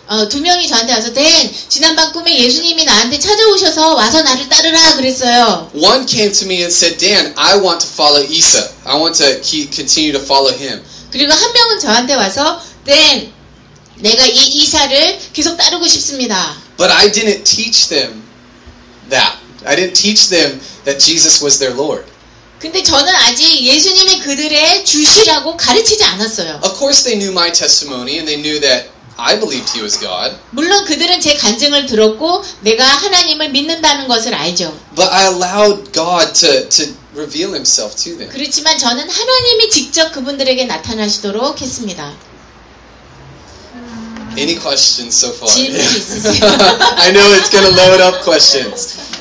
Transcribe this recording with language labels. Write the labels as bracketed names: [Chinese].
[Korean] 두 명이 저한테 와서 댄 지난밤 꿈에 예수님이 나한테 찾아오셔서 와서 나를 따르라 그랬어요. [English] One came to me and said, "Dan, I want to follow Isa. I want to continue to follow him." [Korean] 그리고 한 명은 저한테 와서 댄 내가 이 이사를 계속 따르고 싶습니다. [English] But I didn't teach them that. I didn't teach them that Jesus was their Lord. [Korean] 근데 저는 아직 예수님이 그들의 주시라고 가르치지 않았어요. [English] Of course they knew my testimony and they knew that I believed he was God. [Korean] 물론 그들은 제 간증을 들었고 내가 하나님을 믿는다는 것을 알죠. [English] But I allowed God to reveal himself to them. [Korean] 그렇지만 저는 하나님이 직접 그분들에게 나타나시도록 했습니다. [English] Any questions so far? [Korean] 질문 있으세요? [English] I know it's going to load up questions.